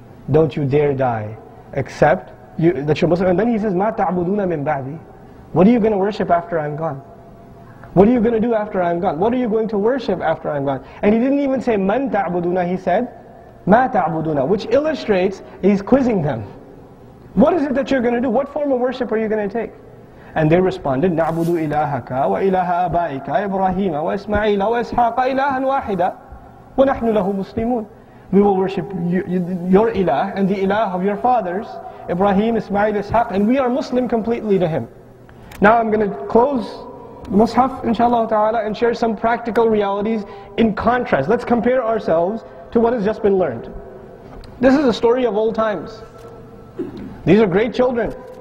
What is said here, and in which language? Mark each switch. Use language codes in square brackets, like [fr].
[en] Don't you dare die except. That you're Muslim. And then he says, [ar] مَا تَعْبُدُونَ مِنْ بَعْدِي. [en] What are you going to worship after I'm gone? What are you going to do after I'm gone? What are you going to worship after I'm gone? And he didn't even say, [ar] مَنْ تَعْبُدُونَ. [en] He said, [ar] مَا تَعْبُدُونَ. [en] Which illustrates, he's quizzing them. What is it that you're going to do? What form of worship are you going to take? And they responded, [ar] نَعْبُدُ إِلَهَكَ وَإِلَهَ أَبَائِكَ إِبْرَاهِيمَ وَإِسْمَعِيلَ وَإِسْحَاقَ إِلَهًا وَاحِدًا وَنَحْنُ لَهُ مُسْلِمُونَ. [en] We will worship your ilah and the ilah of your fathers, Ibrahim, Ismail, Ishaq, and we are Muslim completely to him. Now I'm going to close the Mus'haf, inshallah ta'ala, and share some practical realities in contrast. Let's compare ourselves to what has just been learned. This is a story of old times. These are great children.